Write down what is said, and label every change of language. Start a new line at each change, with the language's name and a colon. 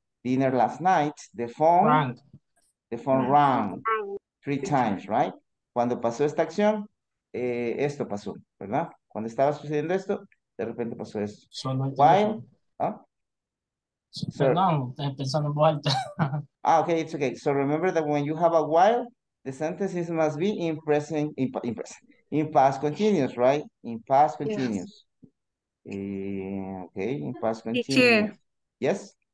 English: Dinner last night, the phone rang three times, right?
Spanish: Cuando pasó esta acción, esto pasó, ¿verdad? Cuando estaba sucediendo esto, de repente pasó esto.
English: So remember that when you have a while, the sentences must be in past continuous, right? In past continuous. Yes?